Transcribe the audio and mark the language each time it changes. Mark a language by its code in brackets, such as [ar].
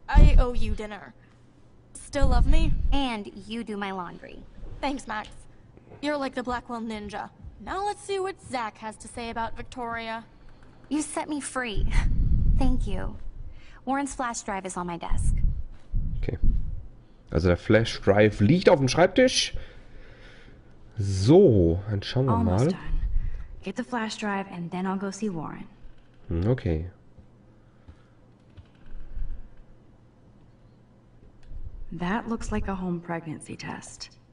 [en] I owe you dinner. Still love me? And you do my laundry. Thanks, Max. You're like the Blackwell Ninja. Now let's see what Zach has to say about Victoria. You set me free. Thank you. Warren's flash drive is on my desk. Okay. [de] Also der Flash Drive liegt auf dem Schreibtisch. So, dann schauen wir mal. [en] Almost done. Get the flash drive and then I'll go see Warren. Okay. That looks like a home pregnancy test.